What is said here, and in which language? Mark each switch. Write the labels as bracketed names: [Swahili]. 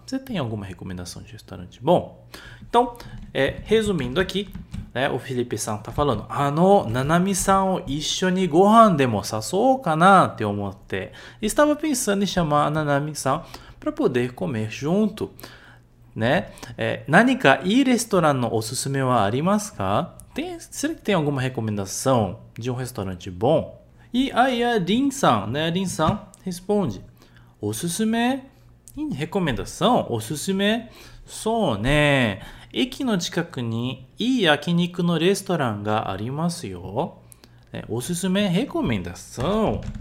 [Portuguese] Você tem alguma recomendação de restaurante bom? Então, resumindo aqui, É, o Felipe さん tá falando, [Japanese] あの、Nanami さんを一緒にご飯でも誘おうかなって思って、 [Portuguese] estava pensando em chamar a Nanami さん para poder comer junto. Né? É, [Japanese] 何かいいレストランのおすすめはありますか？ [Portuguese] Tem, será que tem alguma recomendação de um restaurante bom? E aí a Rin さん, né? Rin さん responde, [Japanese] おすすめ? [Portuguese] Recomendação? [Japanese] おすすめ?そうね。駅の近くにいい焼肉のレストランがありますよ。おすすめ、 [Portuguese] recomendação。